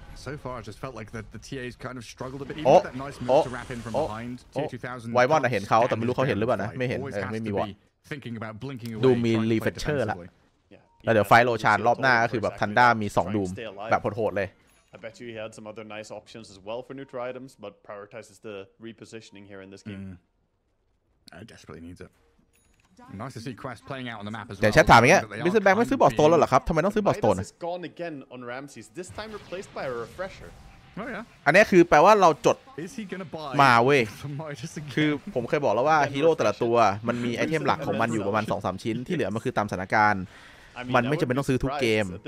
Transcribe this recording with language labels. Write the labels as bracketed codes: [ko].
[en] So far I just felt like the TA's kind of struggled a bit even with that nice move to wrap in from behind T2000 [th] ไว้ว่าน่ะเห็นเขาแต่ไม่รู้เขาเห็นหรือเปล่านะไม่เห็นไม่มีว่ะดูมีรีเฟเชอร์ละแล้วเดี๋ยวไฟโลชานรอบหน้าก็คือแบบทันด้ามี2ดูมแบบโหดๆเลย [en] I bet you he had some other nice options as well for neutral items but prioritizes the repositioning here in this game I desperately need itNice to see Quest playing out on the map as well. [th] แต่ชัดถามอย่างเงี้ยบิสเซนแบงค์ไม่ซื้อบอสโตนแล้วเหรอครับทำไมต้องซื้อบอสโตน [en] Gone again on Ramses. This time replaced by a refresher. Oh yeah. [th] อันนี้คือแปลว่าเราจดมาเว้ยคือผมเคยบอกแล้วว่าฮีโร่แต่ละตัวมันมีไอเทมหลักของมันอยู่ประมาณ 2-3 ชิ้นที่เหลือมันคือตามสถานการณ์มันไม่จำเป็นต้องซื้อทุกเกม